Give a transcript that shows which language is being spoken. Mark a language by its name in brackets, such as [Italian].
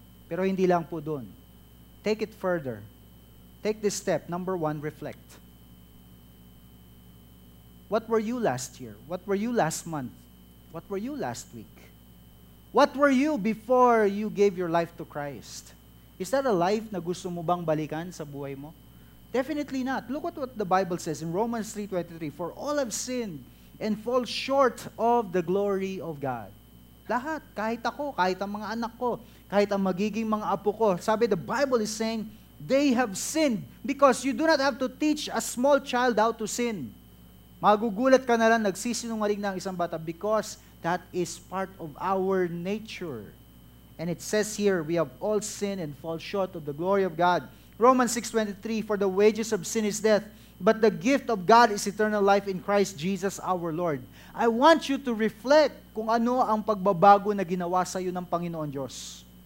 [Filipino] Pero hindi lang po dun. [English] Take it further. Take this step. Number one, reflect. What were you last year? What were you last month? What were you last week? What were you before you gave your life to Christ? Is that a life [Filipino] na gusto mo bang balikan sa buhay mo? [English] Definitely not. Look at what the Bible says in Romans 3:23. For all have sinned and fall short of the glory of God. [Filipino] Lahat, kahit ako, kahit ang mga anak ko, kahit ang magiging mga apo ko. [English] Sabi, the Bible is saying, they have sinned because you do not have to teach a small child how to sin. [Filipino] Magugulat ka na lang, nagsisinungaling na ang isang bata [English] because that is part of our nature. And it says here, we have all sinned and fall short of the glory of God. Romans 6:23, for the wages of sin is death, but the gift of God is eternal life in Christ Jesus our Lord. I want you to reflect [Filipino] kung ano ang pagbabago na ginawa sa iyo ng Panginoon Diyos.